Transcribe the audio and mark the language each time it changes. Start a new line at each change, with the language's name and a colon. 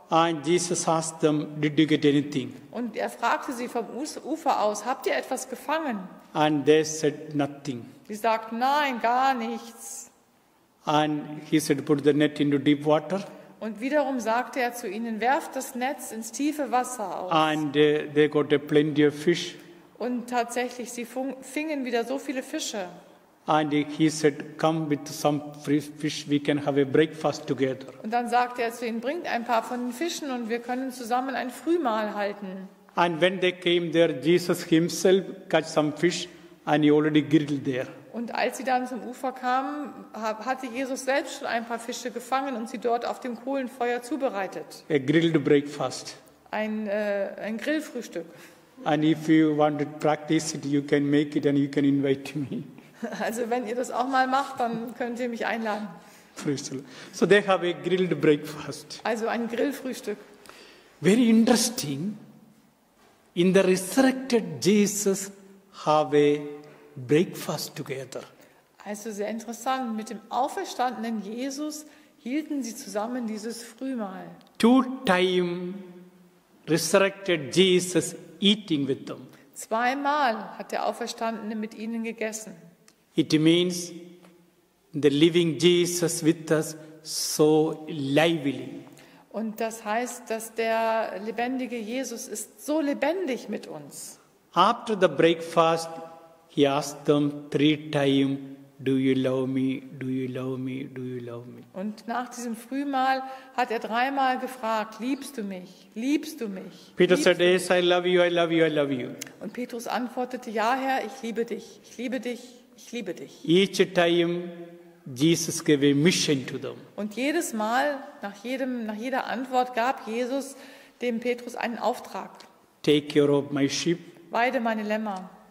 English: And Jesus asked them, did you get anything?
German: Und er fragte sie vom Ufer aus, habt ihr etwas gefangen?
English: And they said nothing.
German: Sie sagten, nein, gar nichts.
English: And he said, put the net into deep water.
German: Und wiederum sagte er zu ihnen, werft das Netz ins tiefe Wasser aus.
English: And they got plenty of fish.
German: Und tatsächlich, sie fingen wieder so viele Fische.
English: And he said, come with some fish, we can have a breakfast together.
German: Und dann sagte er zu ihnen, bringt ein paar von den Fischen und wir können zusammen ein Frühmahl halten.
English: And when they came there, Jesus himself caught some fish and he already grilled there.
German: Und als sie dann zum Ufer kamen, hatte Jesus selbst schon ein paar Fische gefangen und sie dort auf dem Kohlenfeuer zubereitet.
English: A grilled breakfast.
German: Ein Grillfrühstück.
English: And if you want to practice it, you can make it and you can invite me.
German: Also wenn ihr das auch mal macht, dann könnt ihr mich einladen.
English: So they have a grilled breakfast.
German: Also ein Grillfrühstück.
English: Very interesting. In the resurrected Jesus have a breakfast together.
German: Also sehr interessant. Mit dem auferstandenen Jesus hielten sie zusammen dieses Frühmahl.
English: Two time resurrected Jesus eating with them.
German: Zweimal hat der Auferstandene mit ihnen gegessen.
English: It means the living Jesus with us so lively.
German: Und das heißt, dass der lebendige Jesus ist so lebendig mit uns.
English: After the breakfast, he asked them three times, do you love me, do you love me, do you love me?
German: Und nach diesem Frühmahl hat er dreimal gefragt, liebst du mich, liebst du mich?
English: Peter said, yes, I love you, I love you, I love you.
German: Und Petrus antwortete, ja, Herr, ich liebe dich, ich liebe dich. Ich liebe dich.
English: Each time Jesus gave a mission to them.
German: Und jedes Mal, nach jeder Antwort, gab Jesus dem Petrus einen Auftrag.
English: Take care of my sheep.
German: Weide meine Lämmer.